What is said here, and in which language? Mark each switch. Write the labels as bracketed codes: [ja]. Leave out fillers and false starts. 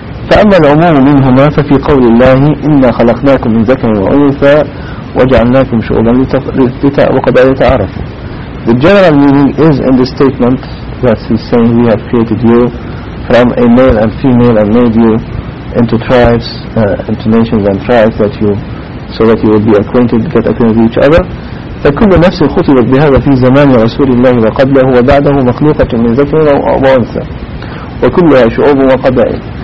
[ar] فأما العموم منهما ففي قول الله إنا خلقناكم من ذكر وأنثى وجعلناكم شعوبا وقد تعرفوا. [en] The general meaning is in the statement that he's saying we have created you from a male and female and made you into tribes, into nations and tribes, that you, so that you will be acquainted, get acquainted with each other. [ar] فكل نفس خطبت بهذا في زمان رسول الله وقبله وبعده مخلوقة من ذكر وأنثى وكلها شعوب وقبائل.